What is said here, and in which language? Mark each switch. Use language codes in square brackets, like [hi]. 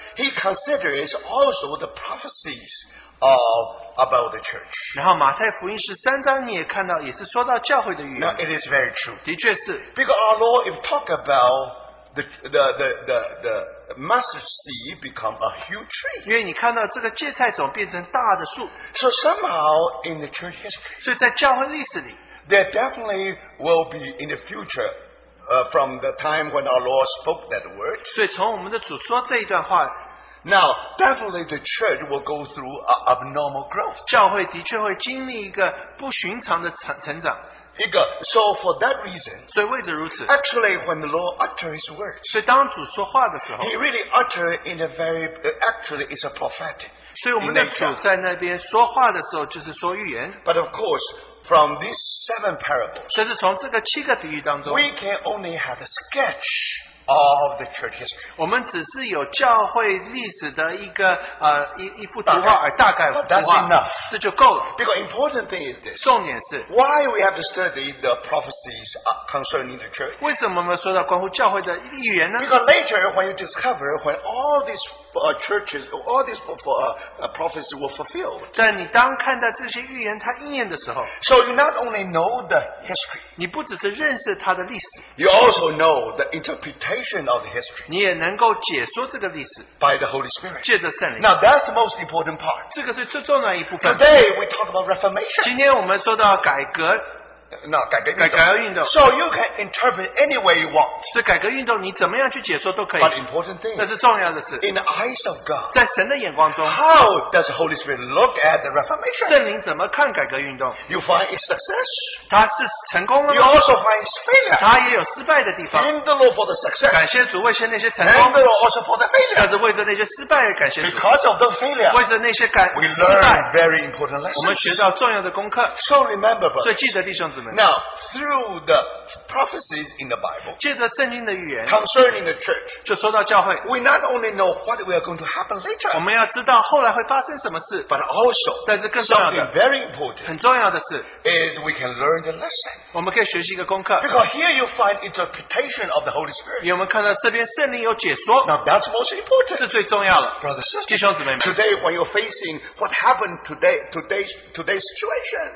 [en] He considers also the prophecies of about the church. [zh] 然后马太福音13章你也看到也是说到教会的预言。 [en] Now it is very true. [zh] 的确是, [en] because our Lord, if talk about the mustard seed become a huge tree. [zh] 因为你看到这个芥菜种变成大的树。 [en] So somehow in the church history, [zh] 所以在教会历史里, [en] there definitely will be in the future, from the time when our Lord spoke that word. [zh] 所以从我们的主说这一段话, [en] now, definitely the church will go through abnormal growth. [zh] 教会的确会经历一个不寻常的成长。 [en] So for that reason, [zh] 所以为着如此, [en] actually when the Lord utters his words, [zh] 所以当主说话的时候, [en] he really uttered in a very, actually it's a prophetic. [zh] 所以我们的主在那边说话的时候就是说预言。 [en] But of course, from these seven parables, [zh] 所以是从这个七个比喻当中, [en] we can only have a sketch of the church history. [zh] 我们只是有教会历史的一个一部图画而大概画。 [en] That's enough. [zh] 这就够了。 [en] Because important thing is this. [zh] 重点是, [en] why we have to study the prophecies concerning the church? [zh] 为什么我们说到关乎教会的预言呢? [en] Because later when you discover when all these churches, all these prophecies were fulfilled. [zh] 但你当看到这些预言它应验的时候, [en] so you not only know the history, [zh] 你不只是认识它的历史, [en] you also know the interpretation of the history. [zh] 你也能够解说这个历史, [en] by the Holy Spirit. [zh] 借着圣灵。 [en] Now that's the most important part. [zh] 这个是最重要一部分。 [en] Today we talk about Reformation. [zh] 今天我们说到改革, [en] no, [zh] 改革运动。 [en] So you can interpret any way you want. [zh] 所以改革运动你怎么样去解说都可以。 [en] But important thing, [zh] 那是重要的事, [en] in the eyes of God, [zh] 在神的眼光中, [en] how does the Holy Spirit look at the Reformation? [zh] 圣灵怎么看改革运动? [en] You find its success. [zh] 它是成功了吗? [en] You also find its failure. [zh] 它也有失败的地方。 [en] Thank the Lord for the success. [zh] 感谢主为些那些成功。 [en] Thank the Lord also for the failure. [zh] 但是为着那些失败而感谢主。 [en] Because of the failure, [zh] 为着那些失败, [en] we learn very important lessons. [zh] 我们学到重要的功课。 [en] So remember, but, [zh] 所以记得弟兄, [en] now, through the prophecies in the Bible, [zh] 借着圣经的预言, [en] concerning the church, [zh] 就说到教会, [en] we not only know what we are going to happen later, [zh] 我们要知道后来会发生什么事, [en] but also, [zh] 但是更重要的, [en] something very important, [zh] 很重要的是, [en] is we can learn the lesson. [zh] 我们可以学习一个功课, [en] because here you find interpretation of the Holy Spirit. [zh] 因为我们看到这边圣灵有解说, [en] now that's most important. [zh] 这最重要了, [en] brother, sister, [zh] 弟兄姊妹们, [en] today when you're facing what happened today's situation,